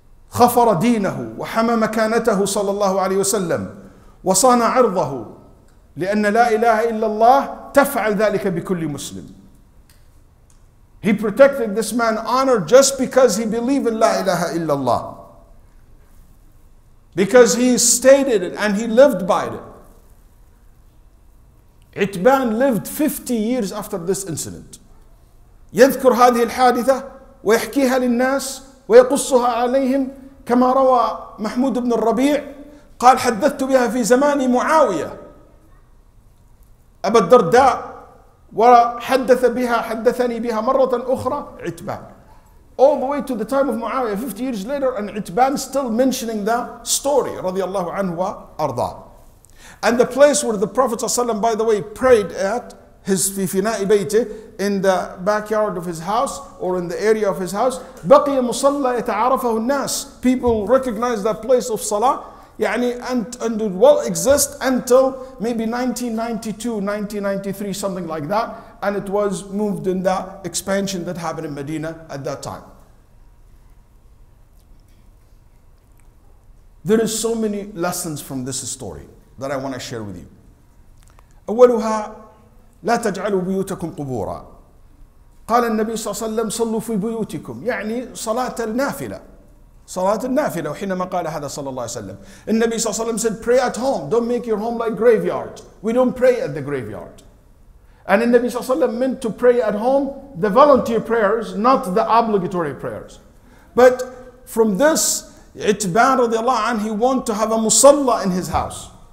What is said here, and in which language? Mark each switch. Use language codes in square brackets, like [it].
[ar] خفر دينه وحمى مكانته صلى الله عليه وسلم وصان عرضه لأن لا إله إلا الله تفعل ذلك بكل مسلم. [en] He protected this man's honor just because he believed in [ar] لا إله إلا الله. [en] Because he stated it and he lived by it. عتبان lived 50 years after this incident. [ar] يذكر هذه الحادثة ويحكيها للناس ويقصها عليهم كما روى محمود بن الربيع قال حدثت بها في زمان معاوية أبا الدرداء وحدث بها حدثني بها مرة أخرى عتبان. [en] All the way to the time of Muawiyah 50 years later and عتبان still mentioning the story [ar] رضي الله عنه وأرضاه. [en] And the place where the Prophet ﷺ, by the way, prayed at his [ar] فناء بيته [en] in the backyard of his house or in the area of his house [ar] بقي مصلى يتعرفه الناس. [en] People recognize that place of salah يعني and it will exist until maybe 1992, 1993, something like that. And it was moved in that expansion that happened in Medina at that time. There is so many lessons from this story that I want to share with you. [ar] أولها لا تجعلوا بيوتكم قبورا. قال النبي صلى الله عليه وسلم صلوا في بيوتكم يعني صلاة النافلة. صلاة النافلة وحينما قال هذا صلى الله عليه وسلم. النبي صلى الله عليه وسلم [en] said pray at home. Don't make your home like graveyard. We don't pray at the graveyard. And [ar] النبي صلى الله عليه وسلم [en] meant to pray at home the volunteer prayers, not the obligatory prayers. But from this, عتبان [ar] رضي الله عنه, [en] he wanted to have a مصلى in his house.